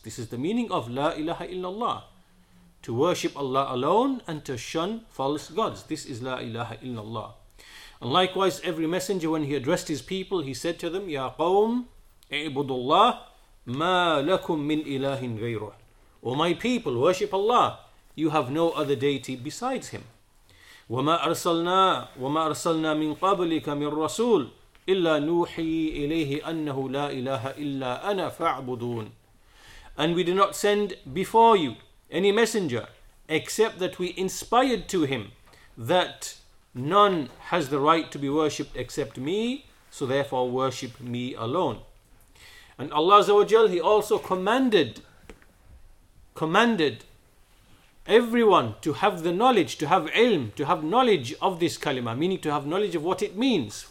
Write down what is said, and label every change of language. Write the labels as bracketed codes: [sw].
[en] This is the meaning of La ilaha illallah. To worship Allah alone and to shun false gods. This is La ilaha illallah. And likewise, every messenger, when he addressed his people, he said to them, [ar] Ya qawm, i'budu Allah, ma lakum min ilahin ghayruh. [en] O my people, worship Allah. You have no other deity besides him. [ar] وما أرسلنا من قبلك من رسول إلا نوحي إليه أنه لا إله إلا أنا فاعبدون. [en] And we did not send before you any messenger except that we inspired to him that none has the right to be worshipped except me, so therefore worship me alone. And Allah Azza wa Jal, he also commanded everyone to have the knowledge, to have ilm, to have knowledge of this kalima, meaning to have knowledge of what it means.